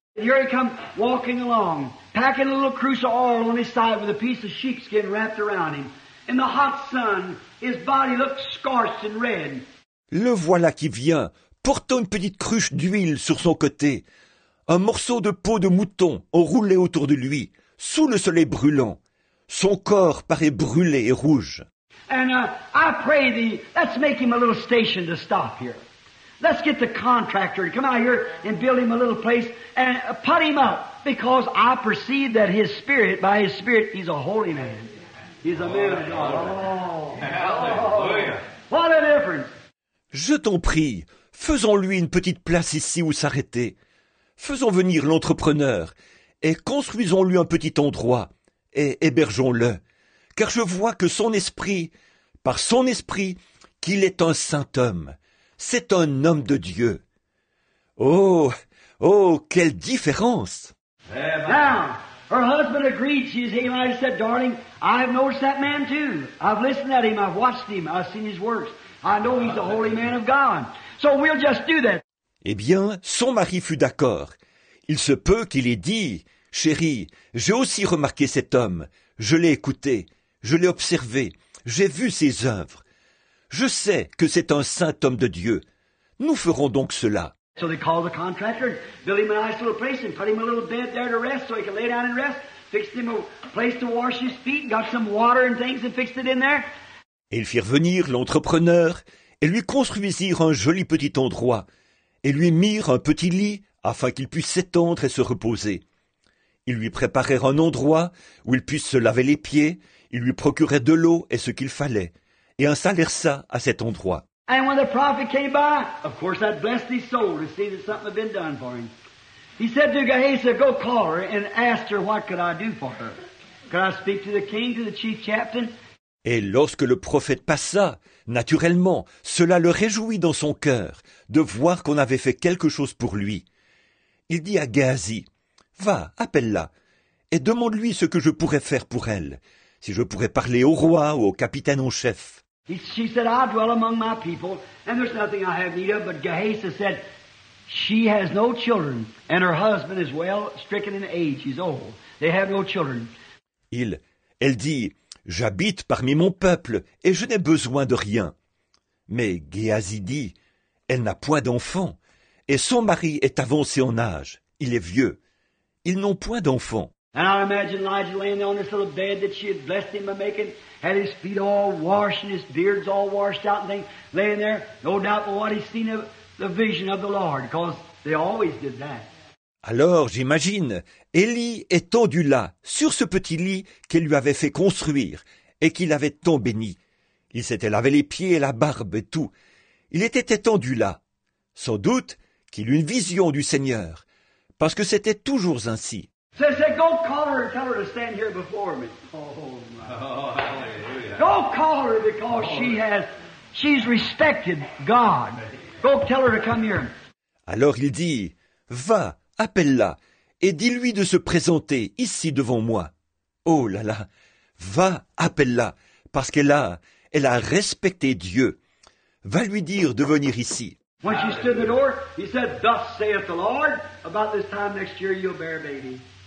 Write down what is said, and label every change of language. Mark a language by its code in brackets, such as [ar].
[en] Here he comes walking along, packing a little cruse of oil on his side with a piece of sheepskin wrapped around him. In the hot sun, his body looks scorched and red. [fr] Le voilà qui vient, portant une petite cruche d'huile sur son côté, un morceau de peau de mouton enroulé autour de lui, sous le soleil brûlant. Son corps paraît brûlé et rouge. [en] And I pray thee, let's make him a little station to stop here. Let's get the contractor to come out here and build him a little place and put him up, because I perceive that his spirit, by his spirit, he's a holy man. He's a man of God. Hallelujah. What a difference. [fr] Je t'en prie, faisons-lui une petite place ici où s'arrêter. Faisons venir l'entrepreneur et construisons-lui un petit endroit. Et hébergeons-le, car je vois que son esprit, par son esprit, qu'il est un saint homme. C'est un homme de Dieu. Oh, oh, quelle différence! [en] Now, her husband agreed. She's here. I said, darling, I've noticed that man too. I've listened at him. I've watched him. I've seen his works. I know he's the holy man of God. So we'll just do that. [fr] Eh bien, son mari fut d'accord. Il se peut qu'il ait dit, « Chérie, j'ai aussi remarqué cet homme. Je l'ai écouté. Je l'ai observé. J'ai vu ses œuvres. Je sais que c'est un saint homme de Dieu. Nous ferons donc cela. » [en] So they called the contractor, built him a nice little place and put him a little bed there to rest so he could lay down and rest. Fixed him a place to wash his feet, got some water and things and fixed it in there. [fr] Et ils firent venir l'entrepreneur et lui construisirent un joli petit endroit et lui mirent un petit lit afin qu'il puisse s'étendre et se reposer. Ils lui préparèrent un endroit où il puisse se laver les pieds, ils lui procuraient de l'eau et ce qu'il fallait, et installèrent ça à cet endroit. [en] And when the prophet came by, of course that blessed his soul to see that something had been done for him. He said to Gehazi, go call her and ask her what could I do for her. Could I speak to the king, to the chief captain? [fr] Et lorsque le prophète passa, naturellement, cela le réjouit dans son cœur de voir qu'on avait fait quelque chose pour lui. Il dit à Gehazi, va, appelle-la, et demande-lui ce que je pourrais faire pour elle, si je pourrais parler au roi ou au capitaine en chef. [en] She said, I dwell among my people, and there's nothing I have need of, but Gehazi said, she has no children, and her husband is well stricken in age, he's old, they have no children. [fr] Elle dit, j'habite parmi mon peuple, et je n'ai besoin de rien. Mais Gehazi dit, elle n'a point d'enfant, et son mari est avancé en âge. Il est vieux. Ils n'ont point d'enfants. [en] And I imagine Elijah laying there on this little bed that she had blessed him by making, had his feet all washed and his beard's all washed out and things, laying there, no doubt but what he's seen of the vision of the Lord, because they always did that. [fr] Alors j'imagine Élie étendu là, sur ce petit lit qu'elle lui avait fait construire et qu'il avait tant béni. Il s'était lavé les pieds et la barbe et tout. Il était étendu là. Sans doute qu'il eut une vision du Seigneur, parce que c'était toujours ainsi. [en] So he said, go call her and tell her to stand here before me. Oh, my. Go call her because she's respected God. Go tell her to come here. [fr] Alors il dit, va, appelle-la et dis-lui de se présenter ici devant moi. Oh là là, va, appelle-la, parce qu'elle a, elle a respecté Dieu. Va lui dire de venir ici. [en] When she stood in the door, he said, thus saith the Lord, about this time next year you'll bear a baby.